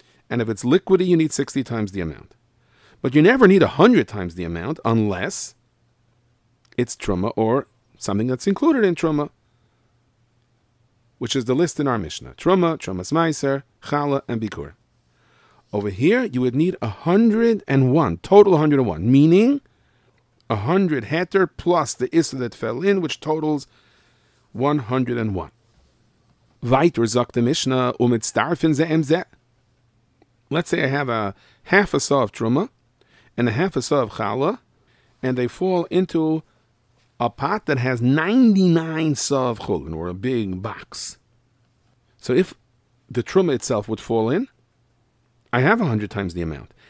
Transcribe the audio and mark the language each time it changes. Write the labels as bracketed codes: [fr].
[en] And if it's liquidy, you need 60 times the amount. But you never need 100 times the amount unless it's truma or something that's included in truma, which is the list in our Mishnah. Truma, trumas meiser, chala, and bikur. Over here, you would need 101, total 101, meaning 100 heter plus the issa that fell in, which totals 101. [de] Weiter sagt die Mishnah, [he] umitztarfen ze emze. [en] Let's say I have a half a saw of truma and a half a saw of chala, and they fall into a pot that has 99 saw of chulin, or a big box. So if the truma itself would fall in, I have 100 times the amount.